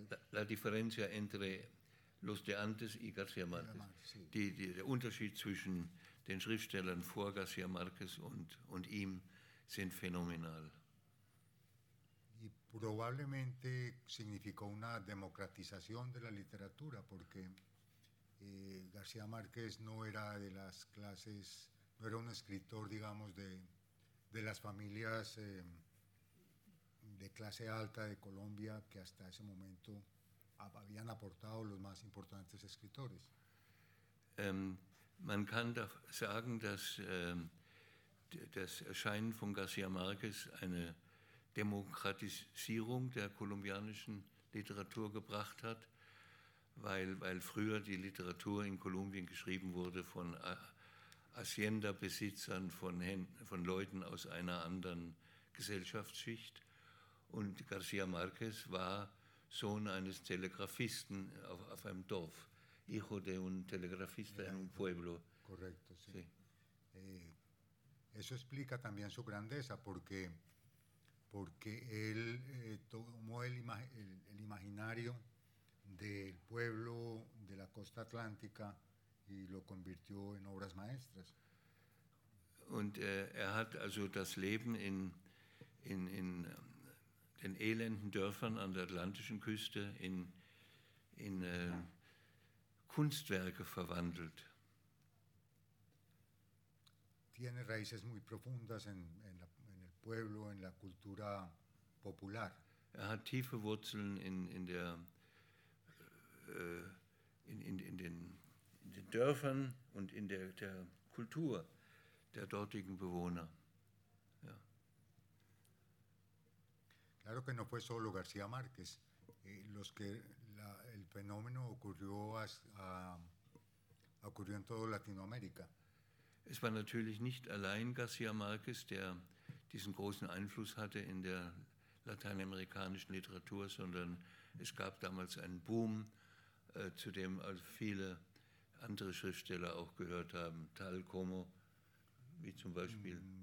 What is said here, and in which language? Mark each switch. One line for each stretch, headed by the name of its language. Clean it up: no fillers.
Spanish: La diferencia entre los de antes y García Márquez.
German: Der Unterschied zwischen den Schriftstellern vor García Márquez und ihm sind phänomenal.
Spanish: Y probablemente significó una democratización de la literatura, porque García Márquez no era de las clases, no era un escritor, digamos, de las familias de clase alta de Colombia, que hasta ese momento habían aportado los más importantes escritores.
German: Man kann sagen, dass das Erscheinen von García Márquez eine Demokratisierung der kolumbianischen Literatur gebracht hat, weil früher die Literatur in Kolumbien geschrieben wurde von Hacienda-Besitzern, von Leuten aus einer anderen Gesellschaftsschicht. Und García Márquez war Sohn eines Telegrafisten auf einem Dorf.
Spanish: Hijo de un telegrafista en un pueblo. Correcto, sí. Eso explica también su grandeza, porque él tomó el imaginario del pueblo de la costa atlántica y lo convirtió en obras maestras.
German: Und hat also das Leben in den elenden Dörfern an der atlantischen Küste in Kunstwerke verwandelt.
Spanish: Tiene raíces muy profundas en el pueblo, en la cultura popular.
German: Er hat tiefe Wurzeln in den Dörfern und in der Kultur der dortigen Bewohner.
Spanish: Claro que no fue solo García Márquez, el fenómeno ocurrió en toda Latinoamérica.
German: Es war natürlich nicht allein García Márquez, der diesen großen Einfluss hatte in der lateinamerikanischen Literatur, sondern es gab damals einen Boom, zu dem also viele andere Schriftsteller auch gehört haben.
Spanish: Tal como,
German: wie zum Beispiel